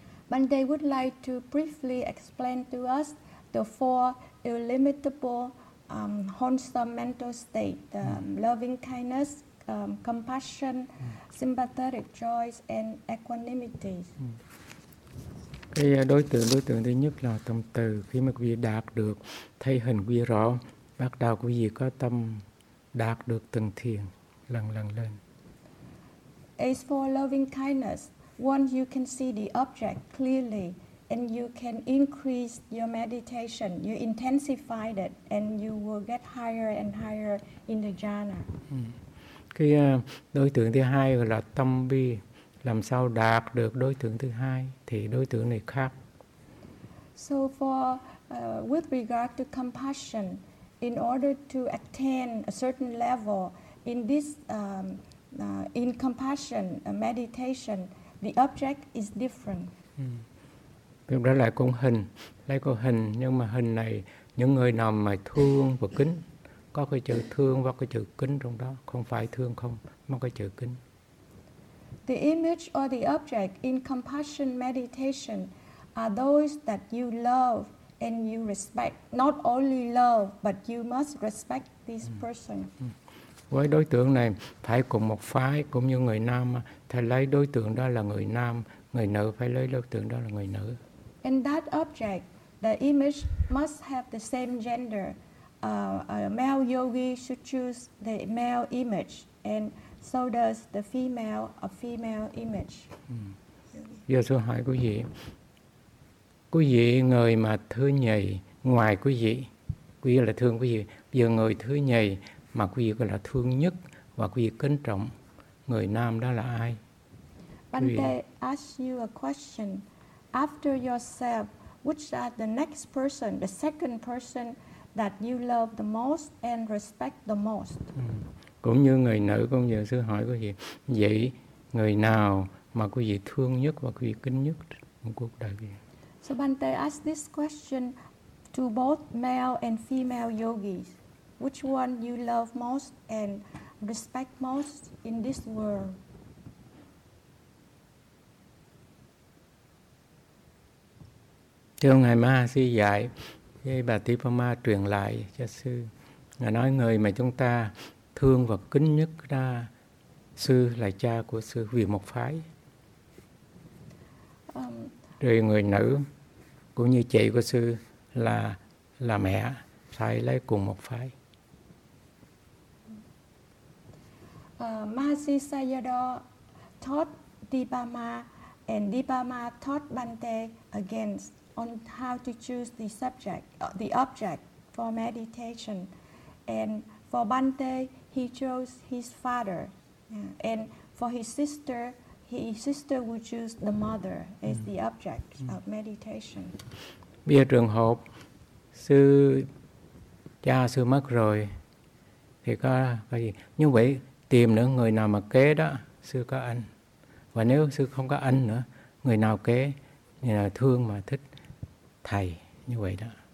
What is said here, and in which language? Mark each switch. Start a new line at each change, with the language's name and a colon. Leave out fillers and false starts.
English: Bhante would like to briefly explain to us the four illimitable wholesome mental state: loving kindness, compassion, sympathetic joy, and equanimity.
Vietnamese: Cái đối tượng thứ nhất là tâm từ. Khi mà quý vị đạt được thấy hình quý rõ, bắt đầu quý vị có tâm đạt được từng thiền lần lần lên.
English: As for loving kindness, once you can see the object clearly and you can increase your meditation, you intensify it and you will get higher and higher in the jhana.
Vietnamese: Cái đối tượng thứ hai là tâm bi. Làm sao đạt được đối tượng thứ hai thì đối tượng này khác.
English: So for with regard to compassion, in order to attain a certain level in this in compassion meditation, the object is different.
Vietnamese: Tức là lấy con hình, nhưng mà hình này những người nào mà thương và kính, có cái chữ thương và cái chữ kính trong đó, không phải thương không mà cái chữ kính.
English: The image or the object in compassion meditation are those that you love and you respect. Not only love, but you must respect this person.
Vietnamese: Với đối tượng này, phải cùng một phái, cũng như người nam, phải lấy đối tượng đó là người nam, người nữ phải lấy đối tượng đó là người nữ.
English: And that object, the image must have the same gender. A male yogi should choose the male image, and so does the female, a female image.
Vietnamese: Giờ tôi hỏi quý vị người mà thứ nhì ngoài quý vị là thương quý vị. Giờ người thứ nhì mà quý vị gọi là thương nhất và quý vị kính trọng, người nam đó là ai?
English: Bhante asked you a question. After yourself, which are the next person, the second person that you love the most and respect the most?
Vietnamese: Cũng như người nữ, cũng như sư hỏi quý vị, vậy người nào mà quý vị thương nhất và quý vị kính nhất trong cuộc đời kia?
English: So Bhante asked this question to both male and female yogis. which one you love most and respect most in this world?
Vietnamese: Thưa Ngài Ma Sư dạy, với bà Thi Pa Ma truyền lại cho Sư. Ngài nói người mà chúng ta thương và kính nhất ra Sư là cha của Sư vì một phái. Rồi người nữ cũng như chị của Sư là mẹ, phải lấy cùng một phái.
English: Mahasi Sayado taught Dipama and Dipama taught Bhante again on how to choose the subject, the object for meditation. And for Bhante, he chose his father. Yeah. And for his sister, his sister would choose the mother as the object of meditation.
Vietnamese: Bây giờ trường hợp sư cha sư mất rồi thì có cái gì? Như vậy tìm nữa người nào mà kế đó sư có ân. Và nếu sư không có ân nữa, người nào kế, người nào thương mà thích thầy như vậy đó.